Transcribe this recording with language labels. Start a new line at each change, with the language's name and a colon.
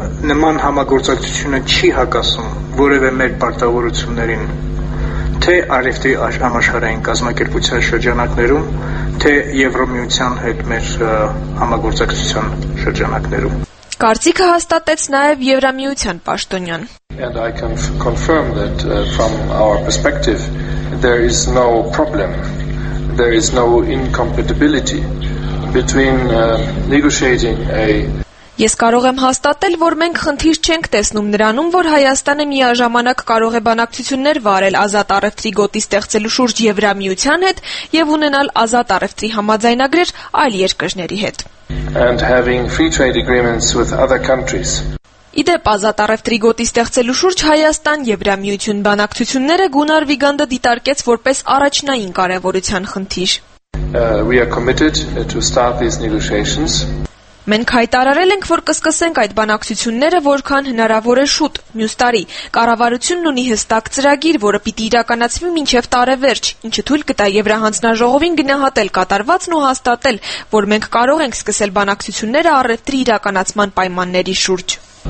Armenian: Նման համագործակցությունը չի հակասում որևէ մեր պարտավորություններին, թե արևտրի համաշխարհային կազմակերպության շրջանակներում, թե Եվրոմիության հետ մեր համագործակցության շրջանակներում։ Կարծիքը հաստատեց նաև Եվրամիության պաշտոնյան։
English: And I can confirm that from our perspective there is no problem, there is no incompatibility between negotiating a
Armenian: Ես կարող եմ հաստատել, որ մենք խնդիր չենք տեսնում նրանում, որ Հայաստանը միաժամանակ կարող է բանակցություններ վարել ազատ առևտրի գոտի ստեղծելու շուրջ Եվրամիության հետ և ունենալ ազատ առևտրի համաձայնագրեր այլ երկրների հետ։
English: And having free trade agreements with other countries.
Armenian: Իդեպ ազատ առևտրի գոտի ստեղծելու շուրջ Հայաստան-Եվրամիություն բանակցությունները Գունար Վիգանդը դիտարկեց որպես առաջնային կարևորության խնդիր։
English: We are committed to start these negotiations.
Armenian: Մենք հայտարարել ենք, որ կսկսենք այդ բանակցությունները, որքան հնարավոր է շուտ, մյուս տարի։ Կառավարությունն ունի հստակ ծրագիր, որը պիտի իրականացվի մինչև տարեվերջ, ինչը թույլ կտա Եվրահանձնաժողովին գնահատել կատարվածն ու հաստատել, որ մենք կարող ենք սկսել բանակցությունները առևտրի իրականացման պայմանների շուրջ։